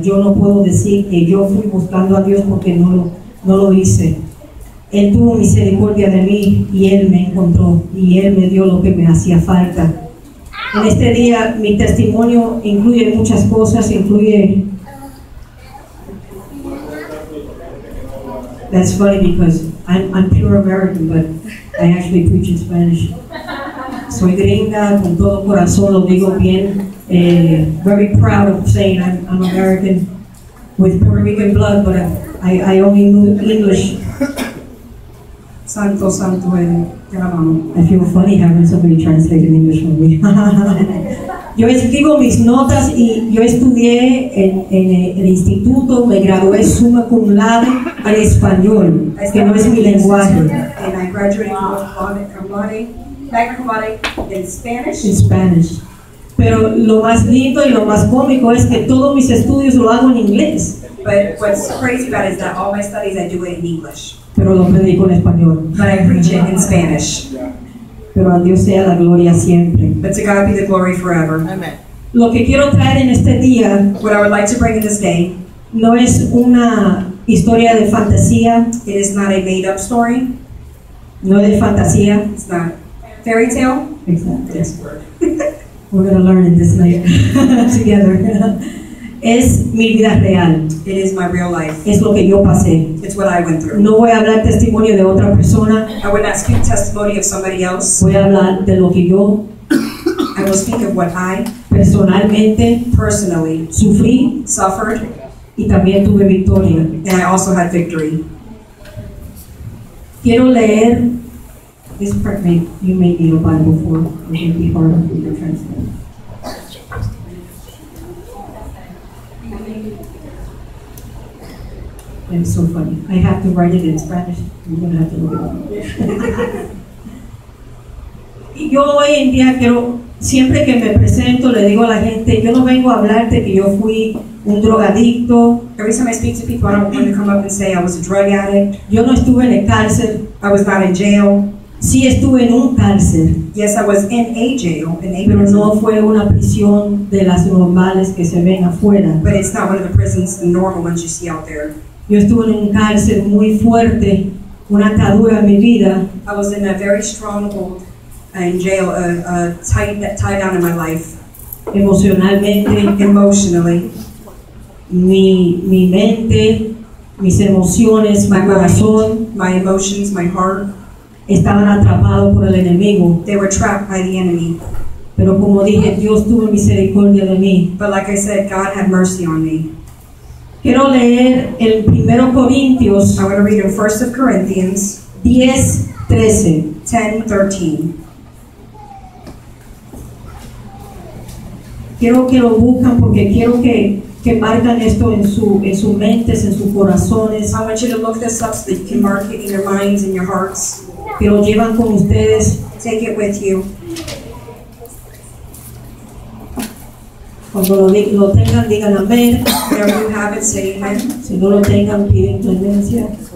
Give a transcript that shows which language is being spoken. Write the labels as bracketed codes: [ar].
[es] Yo no puedo decir que yo fui buscando a Dios porque no lo hice. Él tuvo misericordia de mí y Él me encontró y Él me dio lo que me hacía falta. En este día, mi testimonio incluye muchas cosas, incluye... [en] That's funny because I'm pure American, but I actually preach in Spanish. [es] Soy gringa, con todo corazón lo digo bien. [en] Very proud of saying I'm American with Puerto Rican blood, but I only knew English. [es] Santo, santo, [en] I feel funny having somebody translate in English for me. [es] Yo escribo mis notas y yo estudié en el instituto, me gradué summa cum laude al español, que no es mi lenguaje. [en] And I graduated in Spanish. [es] Pero lo más lindo y lo más cómico es que todos mis estudios lo hago en inglés. [en] But what's crazy about it is that all my studies I do it in English. [es] Pero lo predico en español. [en] But I preach it in Spanish. [es] Pero a Dios sea la gloria siempre. [en] But to God be the glory forever. Amen. [es] Lo que quiero traer en este día, [en] what I would like to bring in this day, [es] no es una historia de fantasía. [en] It is not a made up story. [es] No es de fantasía. [en] It's not fairy tale. Exactly. Yes. We're going to learn in this night together. [es] Es mi vida real. [en] It is my real life. [es] Es lo que yo pasé. [en] It's what I went through. [es] No voy a hablar testimonio de otra persona. [en] I will not speak testimony of somebody else. [es] Voy a hablar de lo que yo [en] I will speak of what I [es] personalmente [en] personally [es] sufrí, [en] suffered, [es] y también tuve victoria. [en] And I also had victory. [es] Quiero leer. [en] This part may, you may need a Bible for, it may be hard for you to translate. It's so funny. I have to write it in Spanish. You're going to have to look it up. [es] Yo hoy en día quiero, siempre que me presento, le digo a la gente, yo no vengo a hablarte que yo fui un drogadicto. [en] Every time I speak to people, I don't want to come up and say I was a drug addict. [es] Yo no estuve en el cárcel. [en] I was not in jail. [es] Sí estuve en un cárcel. [en] Yes, I was in a jail. In a [es] pero no fue una prisión de las normales que se ven afuera. [en] But it's not one of the prisons, the normal ones you see out there. [es] Yo estuve en un cárcel muy fuerte, una atadura en mi vida. [en] I was in a very stronghold in jail, a tie down in my life. [es] Emocionalmente. [en] Emotionally. [es] Mi mente, mis emociones, mi corazón. [en] My emotions, my heart. [es] Estaban atrapados por el enemigo. [en] They were trapped by the enemy. [es] Pero como dije, Dios tuvo misericordia de mí. [en] But like I said, God had mercy on me. [es] Quiero leer el 1 Corintios. [en] I want to read in 1 Corinthians 10:13. 10:13. [es] Quiero que lo busquen porque quiero que marquen esto en su mentes, en sus corazones. [en] I want you to look this up so that you can mark it in your minds and your hearts. [es] Que lo llevan con ustedes. [en] Take it with you. [es] Cuando lo tengan, digan amén. [en] There you have it, say amen. [es] Si no lo tengan, piden clemencia.